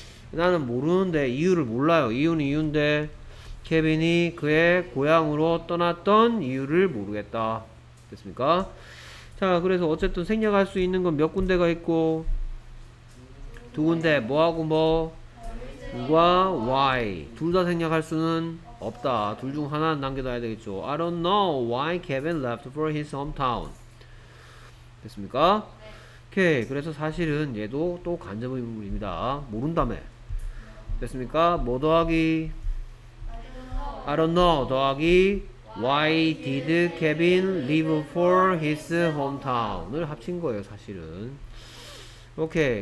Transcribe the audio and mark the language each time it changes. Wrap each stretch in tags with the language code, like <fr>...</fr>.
<ko>나는 모르는데 이유를 몰라요. 이유는 이유인데 케빈이 그의 고향으로 떠났던 이유를 모르겠다. 됐습니까? 자, 그래서 어쨌든 생략할 수 있는 건 몇 군데가 있고 두 군데 뭐하고 뭐 누가 why 둘 다 생략할 수는 없다. 둘 중 하나는 남겨둬야 되겠죠.</ko> <en>I don't know why Kevin left for his hometown.</en> <ko>됐습니까? 오케이. 그래서 사실은 얘도 또 간접 의문입니다. 모른다며. 됐습니까? 뭐 더하기</ko> <en>I don't know</en> <ko>더하기</ko> <en>why did Kevin leave for his hometown</en> <ko>을 합친 거예요, 사실은. 오케이.</ko>